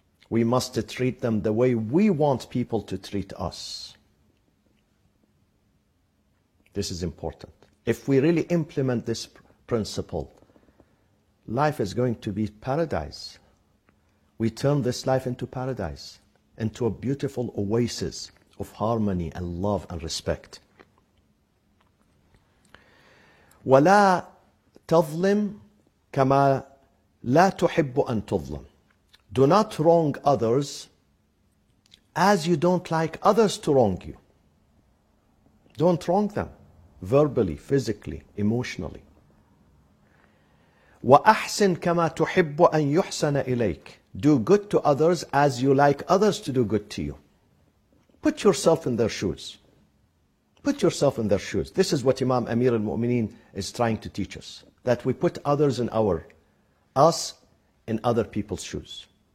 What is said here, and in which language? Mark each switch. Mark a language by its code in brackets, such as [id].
[en] We must treat them the way we want people to treat us. This is important. If we really implement this principle, life is going to be paradise. We turn this life into paradise, into a beautiful oasis of harmony and love and respect. [ar] ولا تظلم كما لا تحب أن تظلم. [en] Do not wrong others as you don't like others to wrong you. Don't wrong them verbally, physically, emotionally. [ar] وأحسن كما تحب أن يحسن إليك. [en] Do good to others as you like others to do good to you. Put yourself in their shoes. Put yourself in their shoes. This is what Imam Amir al-Mu'mineen is trying to teach us, that we put others in us in other people's shoes.